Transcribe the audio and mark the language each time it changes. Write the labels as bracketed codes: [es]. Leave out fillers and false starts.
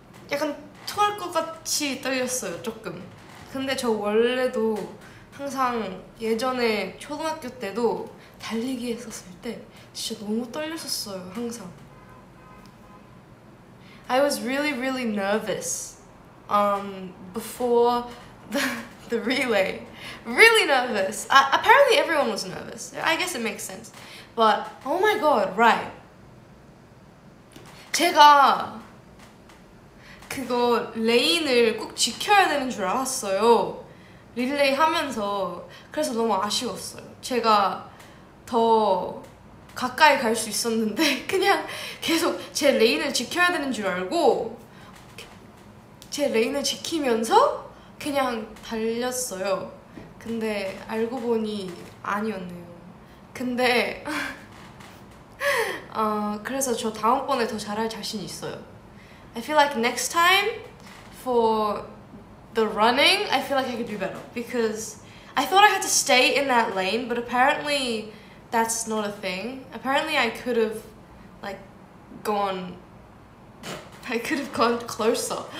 [ko] 약간 토할 것 같이 떨렸어요, 조금. 근데 저 원래도 항상 예전에 초등학교 때도 달리기 했었을 때, 진짜 너무 떨렸었어요, 항상. [en] I was really, really nervous before the relay. Really nervous. Apparently, everyone was nervous. I guess it makes sense. But oh my god, right. [ko] 제가 그거 레인을 꼭 지켜야 되는 줄 알았어요. 릴레이 하면서. 그래서 너무 아쉬웠어요. 제가 더 가까이 갈수 있었는데 그냥 계속 제 레인을 지켜야 되는 줄 알고 제 레인을 지키면서 그냥 달렸어요. 근데 알고 보니 아니었네요. 근데 그래서 저 다음번에 더 잘할 자신 있어요. [en] I feel like next time for the running, I feel like I could do better because I thought I had to stay in that lane, but apparently that's not a thing. Apparently, I could have gone closer.